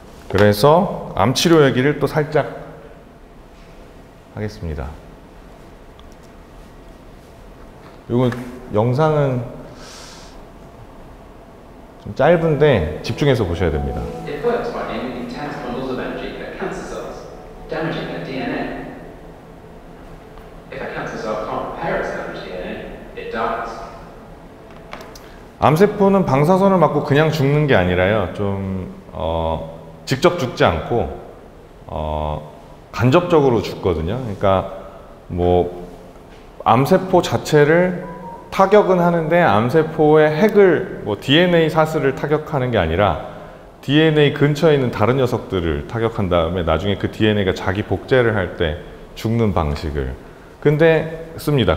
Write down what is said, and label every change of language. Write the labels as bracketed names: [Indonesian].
[Korean] 그래서 암 치료 얘기를 또 살짝 하겠습니다. 이거 영상은 좀 짧은데 집중해서 보셔야 됩니다. [English] It works by emitting intense bundles of energy at cancer cells, damaging their DNA. If a cancer cell can't repair its damaged DNA, it dies. [Korean] 암세포는 방사선을 맞고 그냥 죽는 게 아니라요. 좀 직접 죽지 않고 간접적으로 죽거든요. 그러니까 뭐 암세포 자체를 타격은 하는데 암세포의 핵을 뭐 DNA 사슬을 타격하는 게 아니라 DNA 근처에 있는 다른 녀석들을 타격한 다음에 나중에 그 DNA가 자기 복제를 할 때 죽는 방식을 근데 씁니다.